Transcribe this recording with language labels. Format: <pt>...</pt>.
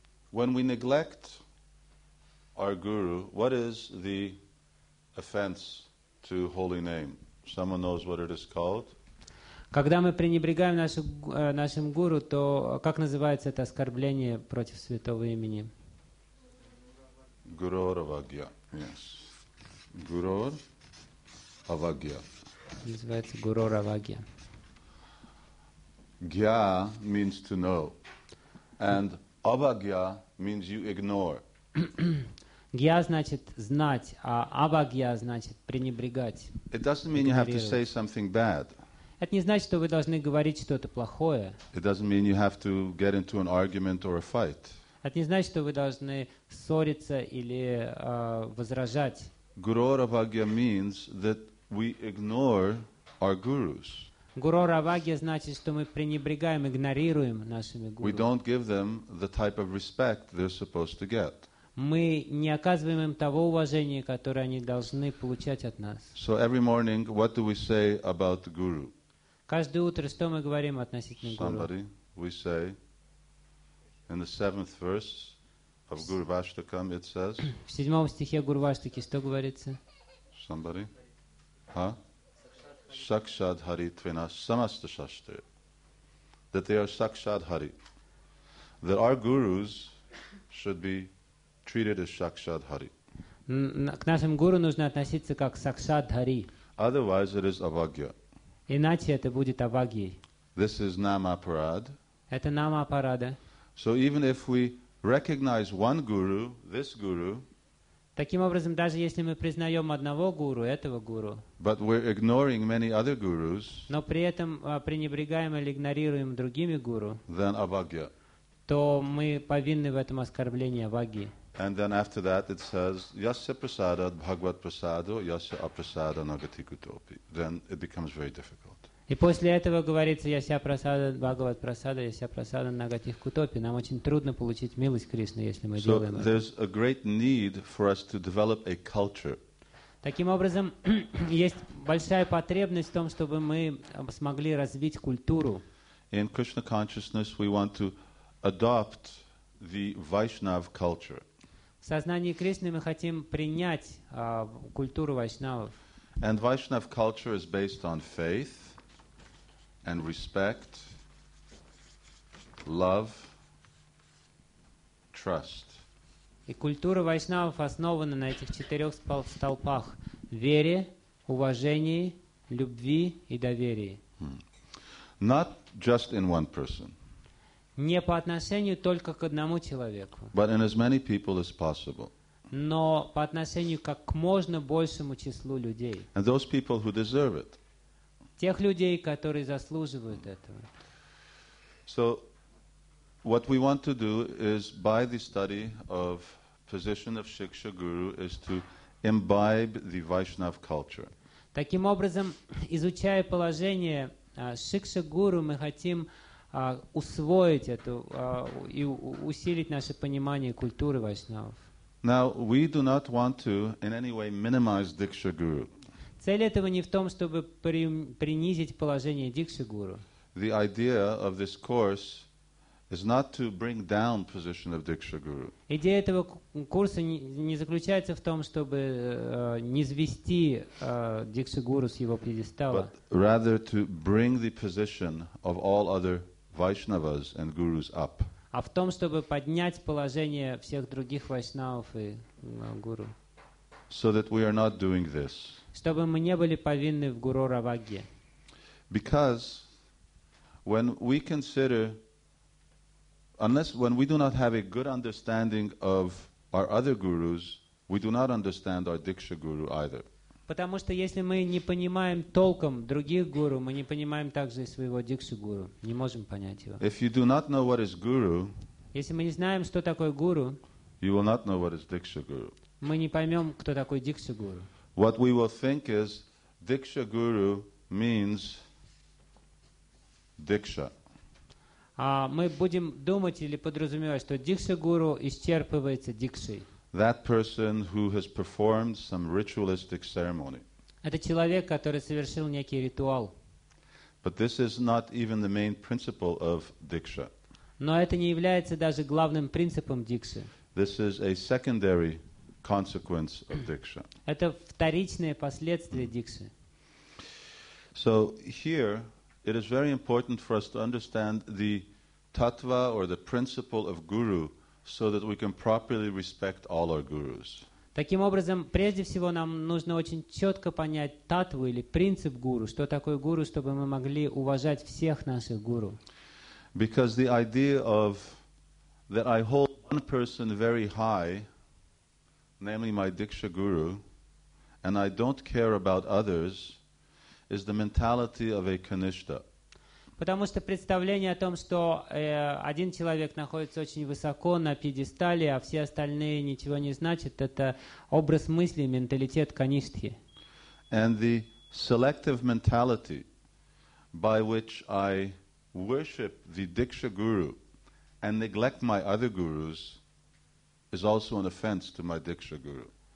<en>When we neglect our guru, what is the offense to holy name? Someone knows what it is called?</en> <ru>Когда мы пренебрегаем нашим гуру, то как называется это оскорбление против святого имени?</ru> <sa>Гурор авагья.</sa> <en>Yes.</en> <sa>Гурор авагья.</sa> <ru>Называется гурор авагья.</ru> <en>Гья means to know. And авагья means you ignore.</en> <ru>Гья значит знать, а авагья значит пренебрегать.</ru> <en>It doesn't mean you have to say something bad.</en> <ru>Это не значит, что вы должны говорить что-то плохое.</ru> <en>It doesn't mean you have to get into an argument or a fight.</en> <ru>Это не значит, что вы должны ссориться или возражать.</ru> <en>Гурор авагья means that we ignore our gurus.</en> <ru>Гурор авагья значит, что мы пренебрегаем, игнорируем нашими гуру.</ru> <en>We don't give them the type of respect they're supposed to get.</en> <ru>Мы не оказываем им того уважения, которое они должны получать от нас.</ru> <en>So every morning, what do we say about the guru?</en> <ru>Каждое утро что мы говорим относительно гуру?</ru> <en>Somebody, we say, in the seventh verse of Guru Vashtakam, it says.</en> <ru>В седьмом стихе Гуру Ваштаки что говорится?</ru> <en>Somebody, huh?</en> <sa>Sakshad Hari Trina Samasta Shastri.</sa> <en>That they are Sakshad Hari. That our gurus should be treated as Sakshad Hari.</en> <ru>К нашим гуру нужно относиться как Сакшад Хари.</ru> <en>Otherwise it is Авагья.</en> <ru>Иначе это будет Авагьей.</ru> <en>This is Намапарада.</en> <ru>Это Намапарада.</ru> <en>So even if we recognize one guru, this guru,</en> <ru>таким образом, даже если мы признаем одного гуру, этого гуру,</ru> <en>but we're ignoring many other gurus,</en> <ru>но при этом пренебрегаем или игнорируем другими гуру,</ru> <en>then Авагья.</en> <ru>То мы повинны в этом оскорблении Авагьи.</ru> <en>And then after that it says,</en> <sa>Yasya prasadat bhagvat prasado, yasya aprasada nagati kutopi.</sa> <en>Then it becomes very difficult.</en> <ru>И после этого говорится,</ru> <sa>Yasya prasadat bhagvat prasado, yasya aprasada nagati kutopi.</sa> <ru>Нам очень трудно получить милость Кришны, если мы делаем это.</ru> <en>So there's a great need for us to develop a culture.</en> <ru>Таким образом, есть большая потребность в том, чтобы мы смогли развить культуру.</ru> <en>In Krishna consciousness we want to adopt the Vaishnav culture.</en> <ru>В сознании Кришны мы хотим принять культуру вайшнавов.</ru> <en>And Vaishnav culture is based on faith and respect, love, trust.</en> <ru>И культура вайшнавов основана на этих четырех столпах: вере, уважении, любви и доверии.</ru> <en>Not just in one person.</en> <ru>Не по отношению только к одному человеку.</ru> <en>But in as many people as possible.</en> <ru>Но по отношению как можно большему числу людей.</ru> <en>And those people who deserve it.</en> <ru>Тех людей, которые заслуживают этого.</ru> <en>So, what we want to do is by the study of position of Shiksha Guru is to imbibe the Vaishnav culture.</en> <ru>Таким образом, изучая положение Шикша Гуру, мы хотим усвоить эту и усилить наше понимание культуры вайшнавов.</ru> <en>Now we do not want to in any way minimize Diksha Guru.</en> <ru>Цель этого не в том, чтобы принизить положение Дикши Гуру.</ru> <en>The idea of this course is not to bring down position of Diksha Guru.</en> <ru>Идея этого курса не заключается в том, чтобы низвести Дикши Гуру с его пьедестала.</ru> <en>But rather to bring the position of all other Vaishnavas and gurus up.</en> <ru>А в том, чтобы поднять положение всех других вайшнавов и гуру.</ru> <en>So that we are not doing this.</en> <ru>Чтобы мы не были повинны в гурор авагье.</ru> <en>Because when we consider, unless when we do not have a good understanding of our other gurus, we do not understand our Diksha Guru either.</en> <ru>Потому что если мы не понимаем толком других гуру, мы не понимаем также и своего дикшу-гуру, не можем понять его.</ru> <en>If you do not know what is guru,</en> <ru>если мы не знаем, что такое гуру,</ru> <en>you will not know what is дикшу-гуру.</en> <ru>Мы не поймем, кто такой дикшу-гуру.</ru> <en>What we will think is дикшу-гуру means дикша.</en> <ru>Мы будем думать или подразумевать, что дикшу-гуру исчерпывается дикшей.</ru> <en>That person who has performed some ritualistic ceremony.</en> <ru>Это человек, который совершил некий ритуал.</ru> <en>But this is not even the main principle of diksha.</en> <ru>Но это не является даже главным принципом дикши.</ru> <en>This is a secondary consequence of diksha.</en> <ru>Это вторичное последствие дикши.</ru> <en>So here it is very important for us to understand the tattva or the principle of guru, so that we can properly respect all our gurus.</en> <ru>Таким образом, прежде всего нам нужно очень четко понять татву или принцип гуру, что такое гуру, чтобы мы могли уважать всех наших гуру.</ru> <en>Because the idea of that I hold one person very high, namely my diksha guru, and I don't care about others, is the mentality of a kanishta.</en> <ru>Потому что представление о том, что один человек находится очень высоко на пьедестале, а все остальные ничего не значат, это образ мысли, менталитет каништхи.</ru> <en>And the selective mentality by which I worship the diksha guru and neglect my other gurus is also an offense to my diksha guru.</en>